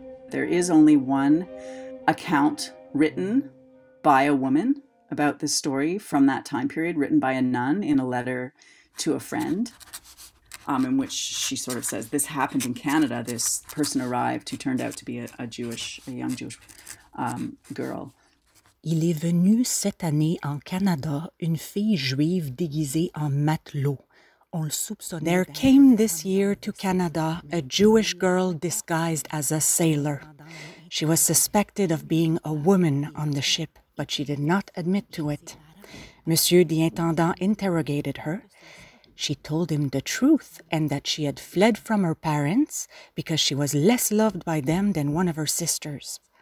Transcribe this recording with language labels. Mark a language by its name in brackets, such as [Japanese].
[English] There is only one account written by a woman about this story from that time period, written by a nun in a letter to a friend, in which she sort of says, this happened in Canada, this person arrived who turned out to be a young Jewish girl. [French] Il est venu cette année en Canada une fille juive déguisée en matelot. [English] There came this year to Canada a Jewish girl disguised as a sailor. She was suspected of being a woman on the ship, but she did not admit to it. Monsieur the Intendant interrogated her. She told him the truth and that she had fled from her parents because she was less loved by them than one of her sisters.